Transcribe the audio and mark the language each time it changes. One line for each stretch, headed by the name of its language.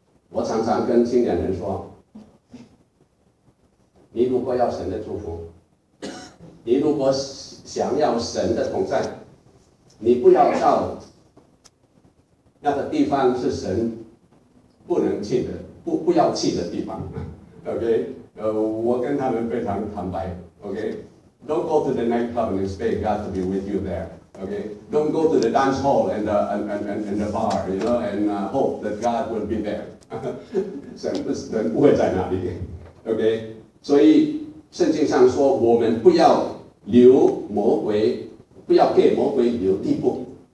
Chinese: 我常常跟青年人说，你如果要神的祝福，你如果想要神的同在，你不要到那个地方是神不能去的，不要去的地方。 OK， 我跟他们非常坦白。
English: OK， don't go to the nightclub and expect God to be with you there. OK， don't go to the dance hall and the bar, you know, and hope that God will be there.
Chinese: 神不会在那里。 OK， 所以圣经上说，我们不要留魔鬼，不要给魔鬼留地步。